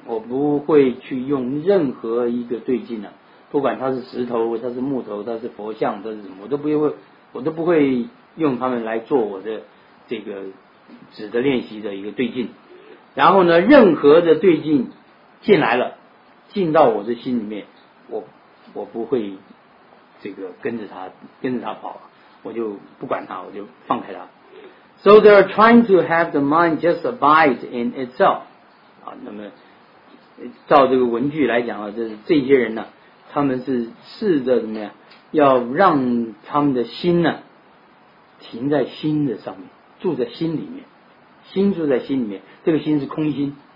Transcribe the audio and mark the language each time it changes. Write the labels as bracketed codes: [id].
[zh] 我不会去用任何一个对境的、啊，不管它是石头，它是木头，它是佛像，它是什么，我都不会用它们来做我的这个指的练习的一个对境。然后呢，任何的对境。进来了，进到我的心里面，我不会这个跟着他跑，我就不管他，我就放开他。 [en] So they are trying to have the mind just abide in itself。 [zh] 啊，那么照这个文句来讲啊，这些人呢，他们是试着怎么样，要让他们的心呢停在心的上面，住在心里面，心住在心里面，这个心是空心，